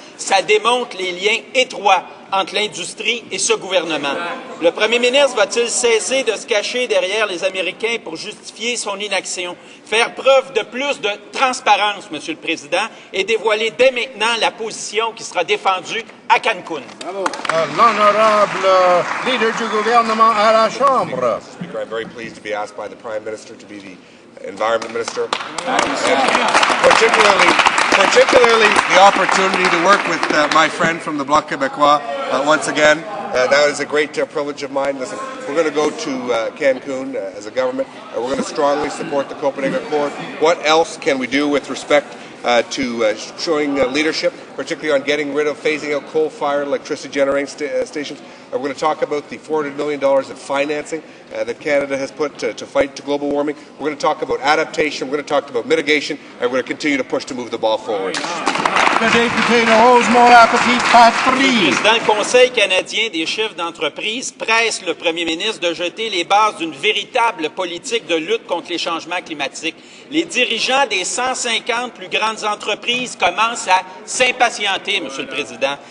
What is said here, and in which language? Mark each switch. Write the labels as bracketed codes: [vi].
[fr] Ça démontre les liens étroits entre l'industrie et ce gouvernement. Le premier ministre va-t-il cesser de se cacher derrière les Américains pour justifier son inaction? Faire preuve de plus de transparence, Monsieur le Président, et dévoiler dès maintenant la position qui sera défendue à Cancun. Bravo. L'honorable leader du gouvernement à la Chambre. [en] Speaker, I'm very pleased to be asked by the Prime Minister to be the Environment Minister. Particularly the opportunity to work with my friend from the Bloc Québécois once again. That is a great privilege of mine. Listen, we're going to go to Cancun as a government, and we're going to strongly support the Copenhagen Accord. What else can we do with respect to showing leadership, particularly on getting rid of phasing out coal-fired electricity generating stations? We're going to talk about the $400 million in financing that Canada has put to fight to global warming. We're going to talk about adaptation. We're going to talk about mitigation. And we're going to continue to push to move the ball forward. [fr] Le député de Rosemont-la-Petite-Patrie. Le président du Conseil canadien des chefs d'entreprise presse le premier ministre de jeter les bases d'une véritable politique de lutte contre les changements climatiques. Les dirigeants des 150 plus grandes entreprises commencent à s'impatienter, Monsieur le Président.